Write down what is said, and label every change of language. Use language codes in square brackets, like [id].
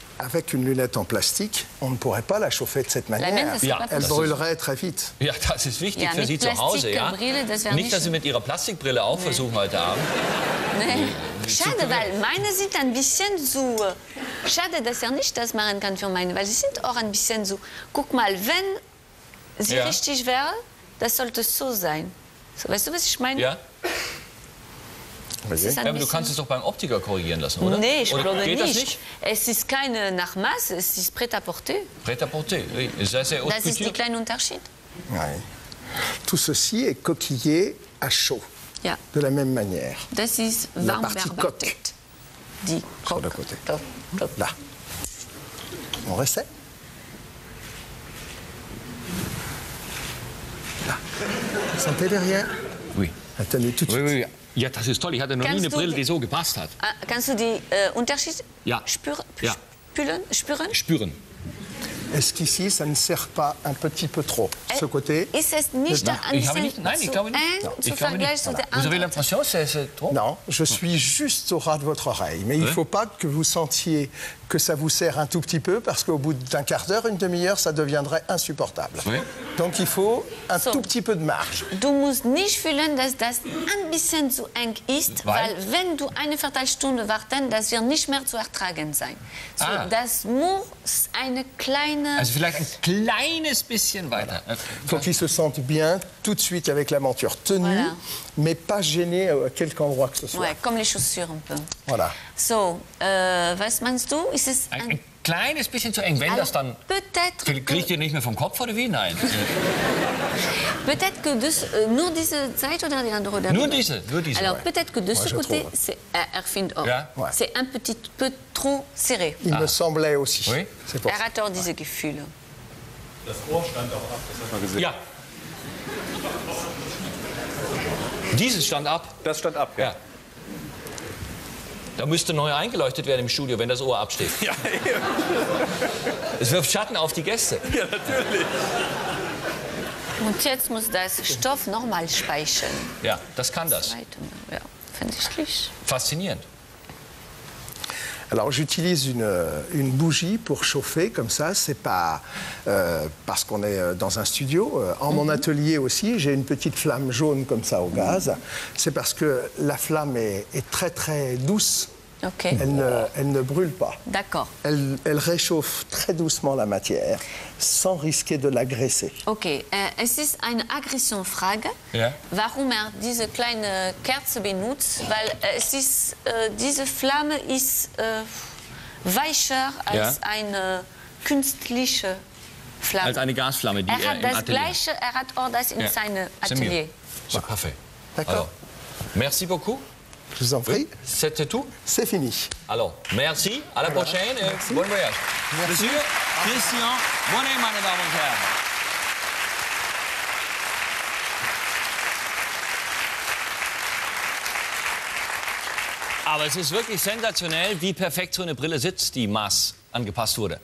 [fr] Avec une lunette en plastique, on ne pourrait pas la chauffer de cette manière. [de] Ja, [fr] elle brûlerait très vite. [de] Ja, das ist wichtig, ja, für Sie zu Hause. Ja. Brille, das nicht, dass Sie mit Ihrer Plastikbrille auch nee. Versuchen heute Abend. Nee. Schade, weil meine sind ein bisschen so. Schade, dass er nicht das machen kann für meine, weil sie sind auch ein bisschen so. Guck mal, wenn sie ja. Richtig wäre, das sollte so sein. So, weißt du, was ich meine? Ja. Ja, aber du kannst es doch beim Optiker korrigieren lassen, oder? Nee, ich oder glaube geht nicht. Das nicht. Es ist keine nach Maß, es ist prêt-à-porter. [fr] Prêt-à-porter, oui. Ça, c'est [de] das ist der kleine Unterschied. [fr] Oui. Tout ceci est coquillé à chaud. [de] Ja. [fr] De la même manière. [de] Das ist warm verarbeitet. Die Coque. [fr] Côté. Top. Là. On recette. Là. Vous sentez derrière? Oui. Attendez tout de oui, suite. Oui, oui. [de] Ja, das ist toll. Ich hatte noch kannst nie eine Brille, die so gepasst hat. Kannst du die Unterschied ja. spüren? Spüren. [fr] Est-ce qu'ici, ça ne sert pas un petit peu trop, ce côté? [de] Ist es nicht ein bisschen zu eng, zu vergleichen zu der anderen? [fr] Vous avez l'impression, c'est trop? Non, je suis juste au ras de votre oreille. Mais il ne faut pas que vous sentiez que ça vous sert un tout petit peu, parce qu'au bout d'un quart d'heure, une demi-heure, ça deviendrait insupportable. Oui. Donc il faut un tout petit peu de marge. [de] Du musst nicht fühlen, dass das ein bisschen zu eng ist, weil wenn du eine Viertelstunde warten, das wird nicht mehr zu ertragen sein. So, das muss eine kleine... Also vielleicht ein kleines bisschen weiter. [fr] Voilà. Faut qu'il se sente bien, tout de suite avec la monture tenue, voilà. Mais pas gêné à quelque endroit que ce soit. Ouais, comme les chaussures un peu. Voilà. [de] So, was meinst du? Ist es ein kleines bisschen zu eng, wenn das dann... Kriegt ihr nicht mehr vom Kopf oder wie? Nein. [fr] Peut-être que [de] nur diese Seite oder die andere? Nur diese, nur diese. [fr] Alors, peut-être que de ce côté, [de] er findet auch. [fr] C'est un petit peu trop serré. Il me semblait aussi. Oui. [de] Er hat auch diese Gefühle. Das Ohr stand auch ab, das hat man gesehen. Ja. Dieses stand ab? Das stand ab, ja. Da müsste neu eingeleuchtet werden im Studio, wenn das Ohr absteht. Ja, eben. Es wirft Schatten auf die Gäste. Ja, natürlich. Und jetzt muss das Stoff nochmal speichern. Ja, das kann das. Ja, finde ich. Faszinierend. [fr] Alors j'utilise une bougie pour chauffer comme ça, c'est pas parce qu'on est dans un studio. En mon atelier aussi, j'ai une petite flamme jaune comme ça au gaz. C'est parce que la flamme est très très douce, elle ne brûle pas. D'accord. Elle réchauffe très doucement la matière, sans risquer de l'agresser. [de] Ok, es ist eine Aggressionfrage. Yeah. Warum er diese kleine Kerze benutzt? Weil es ist, diese Flamme ist weicher als eine künstliche Flamme. Als eine Gasflamme, die er im Atelier. Gleiche, er hat auch das in seinem Atelier. [fr] C'est parfait. D'accord. Merci beaucoup. Je vous en prie. C'était tout? C'est fini. Alors, merci, à la prochaine et merci. Bon voyage. Merci. [de] Monsieur Christian Bonnet, meine Damen und Herren. Aber es ist wirklich sensationell, wie perfekt so eine Brille sitzt, die Maß angepasst wurde.